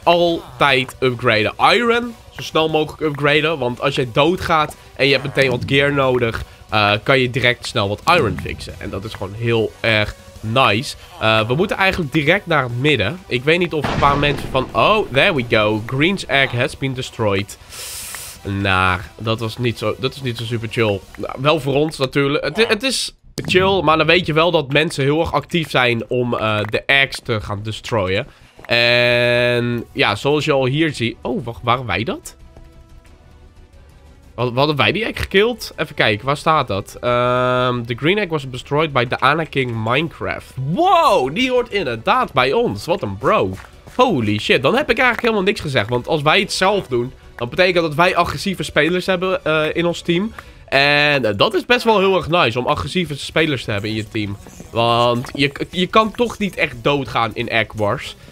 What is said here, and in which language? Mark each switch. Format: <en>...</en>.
<nl>Altijd upgraden. Iron, zo snel mogelijk upgraden. Want als jij doodgaat en je hebt meteen wat gear nodig... kan je direct snel wat iron fixen. En dat is gewoon heel erg nice. We moeten eigenlijk direct naar het midden. Ik weet niet of een paar mensen van...</nl> <en>Oh, there we go. Green's egg has been destroyed.</en> <nl>Dat is niet zo super chill. Nou, wel voor ons natuurlijk. Het is chill, maar dan weet je wel dat mensen heel erg actief zijn om de eggs te gaan destroyen. En ja, zoals je al hier ziet... Oh, wacht, waren wij dat? Hadden wij die egg gekillt? Even kijken, waar staat dat?</nl> <en>The green egg was destroyed by the Anakin Minecraft.</en> <nl>Wow, die hoort inderdaad bij ons. Wat een bro. Holy shit, dan heb ik eigenlijk helemaal niks gezegd. Want als wij het zelf doen, dan betekent dat wij agressieve spelers hebben in ons team. En dat is best wel heel erg nice om agressieve spelers te hebben in je team. Want je kan toch niet echt doodgaan in Egg Wars.</nl>